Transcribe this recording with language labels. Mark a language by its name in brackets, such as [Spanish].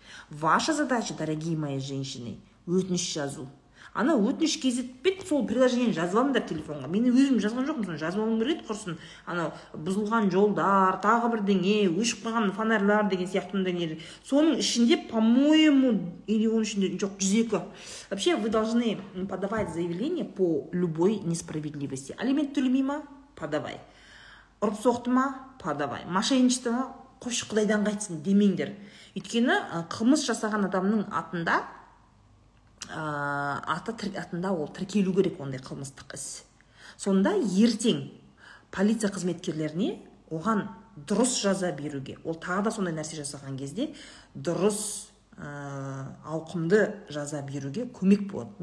[Russian] Ваша задача, дорогие мои женщины, [Kazakh] өтініш жазу. Ана өтініш кезетпет, сол приложениені жазып алыңдар телефонға. Мен өзім жазған жоқпын, жазып алуым керек құрсын. Ана бұзылған жолдар, тағы бір деңе, өшіп қалған фонарьлар деген сияқты дүниелер. Соның ішінде, [Russian] по-моему, [Kazakh] или оның ішінде жоқ, 102. [Russian] Вообще, вы должны подавать заявление по любой несправедливости. [Kazakh] Алимент төлемей ма? [Russian] Подавай. [Kazakh] Ұрып соқты ма? Подавай. Мошенничество ма? Қойшы, құдайдан қайтсын демеңдер. Өйткені қылмыс жасаған адамның атында атында ол тіркелу керек ондай қылмыстық іс. Сонда ертең полиция қызметкерлеріне оған дұрыс жаза беруге, ол тағы да сондай нәрсе жасаған кезде дұрыс ауқымды жаза беруге көмек болады.